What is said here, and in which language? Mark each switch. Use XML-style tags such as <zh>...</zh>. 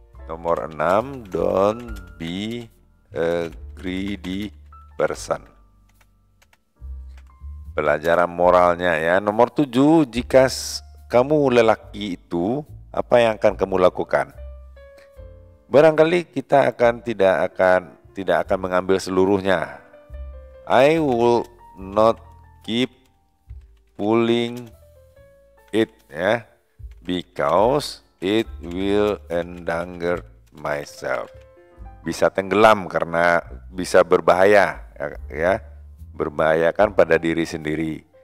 <id>Nomor 6,</id> <en>don't be greedy person.</en> <id>Pelajaran moralnya ya. Nomor 7, jika kamu lelaki itu, apa yang akan kamu lakukan? Barangkali kita akan tidak akan mengambil seluruhnya.</id> <en>I will not keep pulling it</en> <id>ya,</id> <en>because it will endanger myself.</en> <id>Bisa tenggelam karena bisa berbahaya ya. Berbahaya kan pada diri sendiri.</id>